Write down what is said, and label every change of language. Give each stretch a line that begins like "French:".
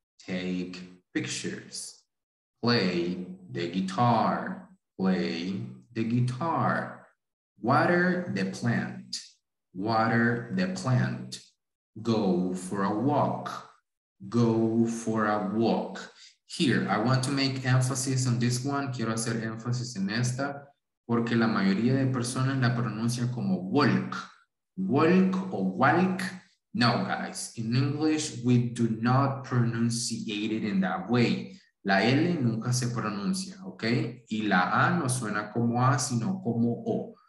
English: Take pictures. Play the guitar. Play the guitar. Water the plant. Water the plant. Go for a walk. Go for a walk. Here, I want to make emphasis on this one.
Spanish: Quiero hacer énfasis en esta porque la mayoría de personas la pronuncian como walk.
English: Walk or walk. No, guys, in English, we do not pronunciate it in that way.
Spanish: La L nunca se pronuncia, okay? Y la A no suena como A, sino como O.